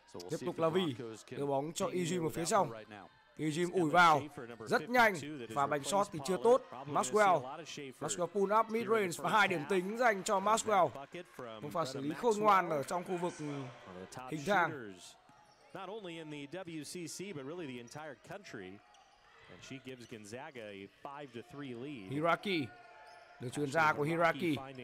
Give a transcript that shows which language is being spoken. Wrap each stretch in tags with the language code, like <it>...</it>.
<vi>Tiếp tục là Vy đưa bóng cho Ejim ở phía trong. Ejim ủi vào rất nhanh và bánh shot thì chưa tốt. Maxwell</vi> <en>pull up mid range</en> <vi>và hai điểm tính dành cho Maxwell. Một pha xử lý khôn ngoan ở trong khu vực hình thang.</vi> <en>Not only in the WCC but really the entire country. And she gives Gonzaga a 5-3 lead.</en> <vi>Hiraki, được truyền ra của Hiraki.</vi>